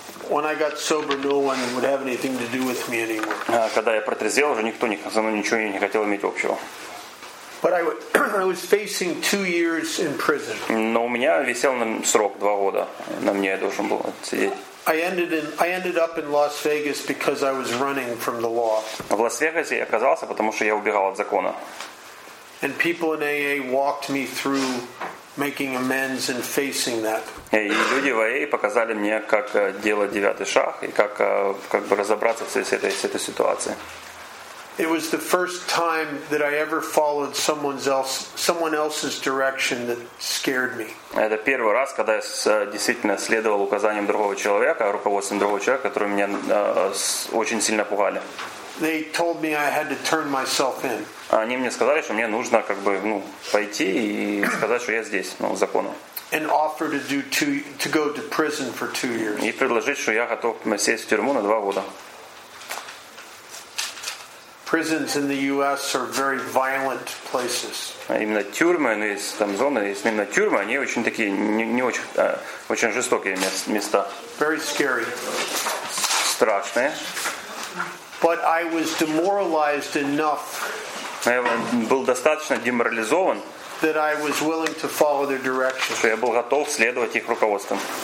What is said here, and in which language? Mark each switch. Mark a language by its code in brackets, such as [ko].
[en] When I got sober, no one would have anything to do with me anymore. [ru] Когда я протрезвел, уже никто со мной ничего не хотел иметь общего. [en] But I was facing 2 years in prison. [ru] Но у меня висел на срок 2 года. На мне я должен был сидеть. [en] I ended up in Las Vegas because I was running from the law. [ru] В Лас-Вегасе я оказался, потому что я убегал от закона. [en] And people in AA walked me through making amends and facing that. [ru] И люди в АА показали мне, как делать девятый шаг и как бы разобраться с этой ситуацией. [en] It was the first time that I ever followed someone else's direction that scared me. [ru] Это первый раз, когда я действительно следовал указаниям другого человека, руководством другого человека, которые меня очень сильно пугали. [en] They told me I had to turn myself in. [ru] Они мне сказали, что мне нужно как бы, ну, пойти и сказать, что я здесь, ну, закону. [en] And offer to do to go to prison for 2 years. [ru] И предложить, что я готов сесть в тюрьму на 2 года. [en] Prisons in the U.S. are very violent places. [ru] Именно тюрьмы, ну есть там зоны, есть именно тюрьмы, они очень такие не очень очень жестокие места. [en] Very scary. [ru] Страшные. [en] But I was demoralized enough. [ru] Я был достаточно деморализован. [en] That I was willing to follow their directions. [ru] Что я был готов следовать их руководствам.